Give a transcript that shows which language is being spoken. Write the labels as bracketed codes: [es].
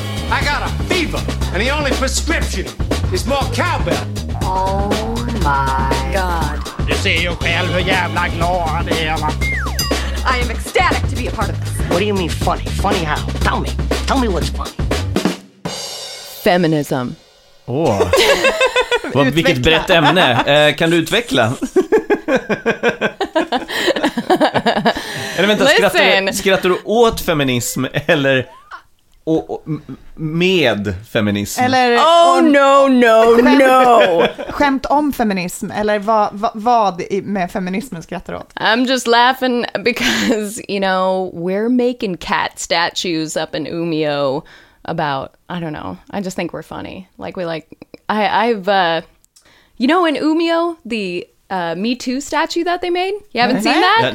[en] I got a fever, and the only prescription is more cowbell. Oh my God. [sv] Du ser ju själv hur jävla glad jag är. [en] I am ecstatic to be a part of this. What do you mean funny? Funny how? Tell me what's funny. Feminism. [sv] Åh, vilket brett ämne. Kan du utveckla? Eller vänta, skrattar du åt feminism eller med feminism? Eller, [en] no. [sv] Skämt om feminism, eller vad med feminismen skrattar åt? [en] I'm just laughing because, you know, we're making cat statues up in Umeå. About, I don't know, I just think we're funny. Like, in Umeå, the Me Too statue that they made? You haven't seen that?